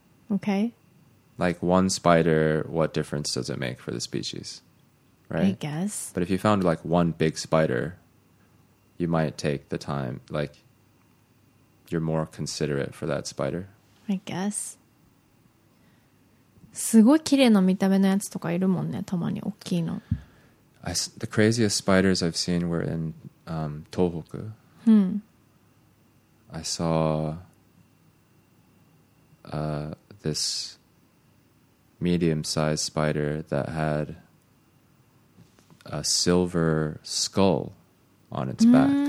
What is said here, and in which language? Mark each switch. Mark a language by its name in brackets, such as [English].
[English] Okay. Like one spider, what difference does it make for the species? Right? I guess. But if you found like one big spider, you might take the time, like you're more considerate for that spider. I guess. [Japanese] すごい綺麗な見た目のやつとかいるもんね、たまに大きいの。 [English] The craziest spiders I've seen were in Tohoku. I saw this... medium-sized spider that had a silver skull on its back.